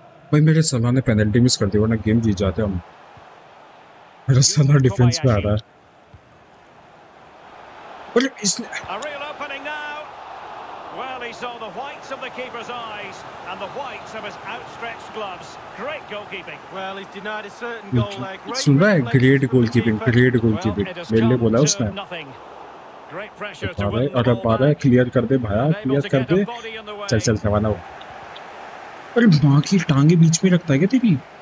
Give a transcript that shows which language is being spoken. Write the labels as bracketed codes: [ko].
[hi] भाई मेरे सलाह ने पेनल्टी मिस कर दी वरना गेम जीत जाते हम। मेरा सलाह डिफेंस पे आ रहा है। [en] इसने a real opening now. Well, he saw the whites of the keeper's eyes and the whites of his outstretched gloves. Great goalkeeping. Well, he's denied a certain goal like great. [hi] सुन रहा है, [en] great goalkeeping, great goalkeeping. [hi] मेरे लिए बोला उसने। [en] Great pressure to win. [hi] और अब आ रहा है, क्लियर कर दे भाया, क्लियर कर दे। चल चल करवाना वो। अरे माँ की टांगे बीच में रखता है क्या तेरी?